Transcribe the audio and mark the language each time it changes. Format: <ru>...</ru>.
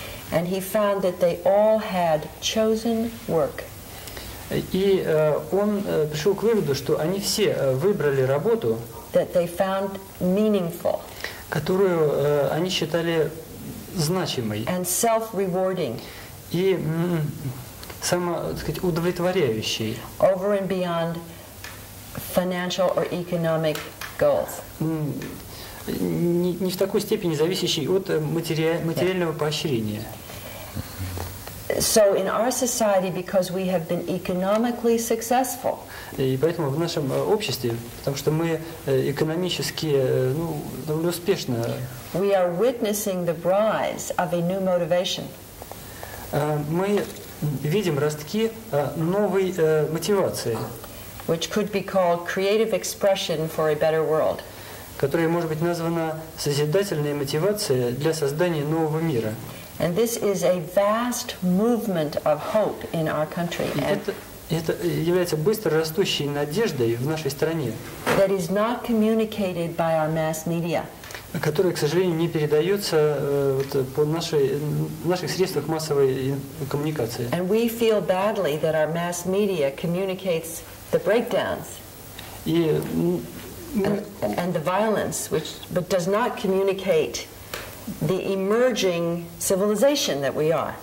<en>And he found that they all had chosen work.</en> <ru>И он пришел к выводу, что они все выбрали работу,</ru> <en>that they found meaningful,</en> <ru>которую они считали значимой</ru> <en>and self-rewarding.</en> <ru>И само, так сказать, удовлетворяющей.</ru> <en>Over and beyond financial or economic goals.</en> <ru>Не в такой степени зависящей от материального поощрения.</ru> <en>So in our society, because we have been economically successful.</en> <ru>И поэтому в нашем обществе, потому что мы экономически ну, довольно успешно.</ru> <en>We are witnessing the rise of a new motivation.</en> <ru>Мы видим ростки новой мотивации.</ru> <en>Which could be called creative expression for a better world.</en> <ru>Которая может быть названа созидательной мотивацией для создания нового мира.</ru> <en>And this is a vast movement of hope in our country.</en> <ru>Это является быстро растущей надеждой в нашей стране.</ru> <en>That is not communicated by our mass media.</en> <ru>Которая, к сожалению, не передается вот, по наших средствах массовой коммуникации.</ru> <en>And we feel badly that our mass media communicates the breakdowns. And the violence, but does not communicate the emerging civilization that we are.</en>